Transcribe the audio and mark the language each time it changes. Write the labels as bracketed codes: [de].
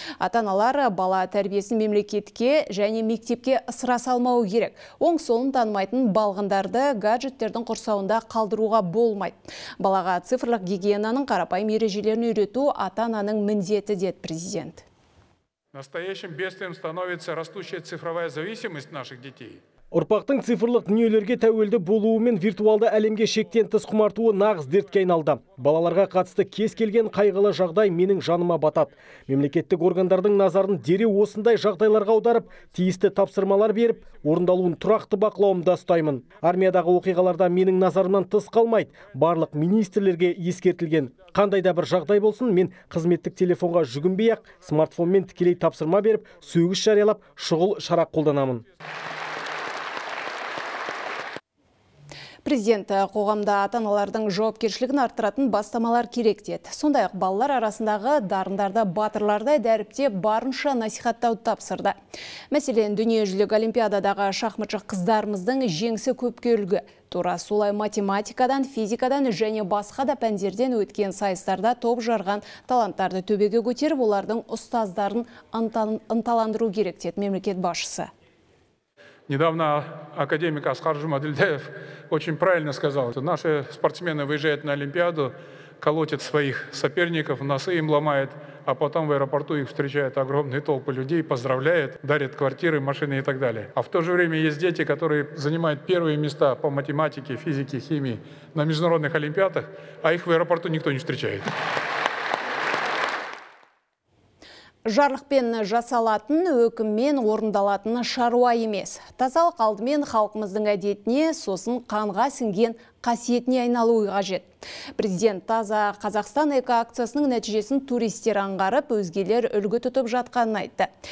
[kk] Ата-аналар бала тәрбиесін мемлекетке және мектепке ысыра салмауы керек. Оң-солын танымайтын балғындарды гаджеттердің құрсауында қалдыруға болмайды. Балаға цифрлық гигиенаның қарапайым ережелерін үйрету ата-ананың міндеті, деді президент. [ru] Настоящим бедствием становится растущая цифровая зависимость наших детей. [kk] Ұрпақтың цифрлық дүниелерге тәуелді болуы мен виртуалды әлемге шектен тыс құмартуы нағыз дертке айналды. Балаларға қатысты кез келген қайғылы жағдай менің жаныма батады. Мемлекеттік органдардың назарын дереу осындай жағдайларға аударып, тиісті тапсырмалар беріп, орындалуын тұрақты бақылауымда ұстаймын. Армиядағы оқиғаларда менің назарымнан тыс қалмайды. Барлық министрлерге ескертілген. Қандай да бір жағдай болсын, мен қызметтік телефонға жүгінбей-ақ, смартфонмен тікелей тапсырма беріп, сөгіс жариялап, шұғыл шара қолданамын. Президент қоғамда ата-аналардың жауапкершілігін арттыратын бастамалар керек деді. Сондай-ақ балалар арасындағы дарындарды батырлардай дәріптеп барынша насихаттауды тапсырды. Мәселен, дүниежүзілік олимпиададағы шахматшы қыздарымыздың жеңісі көпке үлгі. Тура солай математикадан, физикадан және басқа да пәндерден өткен сайыстарда топ жарған таланттарды төбеге көтеріп, олардың ұстаздарын ынталандыру керек деді мемлекет басшысы. [ru] Недавно академик Асқар Жумаділдаев очень правильно сказал, что наши спортсмены выезжают на Олимпиаду, колотят своих соперников, носы им ломают, а потом в аэропорту их встречают огромные толпы людей, поздравляют, дарят квартиры, машины и так далее. А в то же время есть дети, которые занимают первые места по математике, физике, химии на международных олимпиадах, а их в аэропорту никто не встречает. [kk] Жарлықпен жасалатын, өкіммен орындалатын шаруа емес. Тазалық алдымен халқымыздың әдетіне, сосын қанға сіңген қасиетіне айналуы қажет. Президент таза Қазақстан экоакциясының нәтижесін туристер аңғарып, өзгелер үлгі тұтып жатқанын айтты.